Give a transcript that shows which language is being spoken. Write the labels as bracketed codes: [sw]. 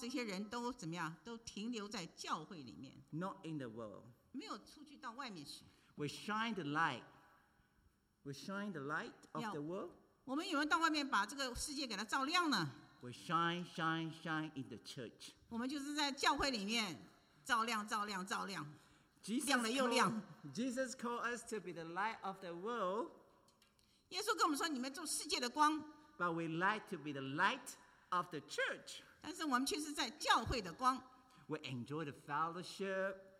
[zh] 因为这个所有我们这些世界的光，这些人都怎么样？都停留在教会里面。 [en] Not in the world. [zh] 没有出去到外面去。 [en] We shine the light. We shine the light of the world. [zh] 我们有没有到外面把这个世界给它照亮呢？ [en] We shine, shine, shine in the church. [zh] 我们就是在教会里面照亮，照亮，照亮， [en] Jesus [zh] 亮了又亮。 [en] Jesus called us to be the light of the world. [zh] 耶稣跟我们说，你们做世界的光。 [en] But we like to be the light of the church. [zh] 但是我们却是在教会的光。 [en] We enjoy the fellowship.